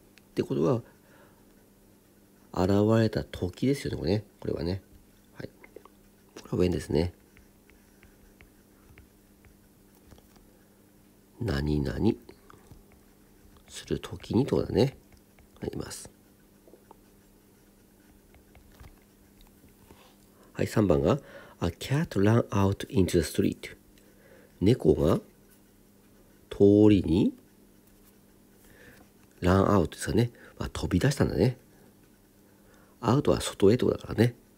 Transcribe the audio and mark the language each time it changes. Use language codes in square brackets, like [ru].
[ja] ってことは、現れた時ですよね、これね。これはね。はい。これは when ですね。何々する時にとかだね。あります。 [en] はい、3番が、A cat ran out into the street. [ja] 猫が通りに、ランアウトですかね。まあ、飛び出したんだね。アウトは外へとだからね。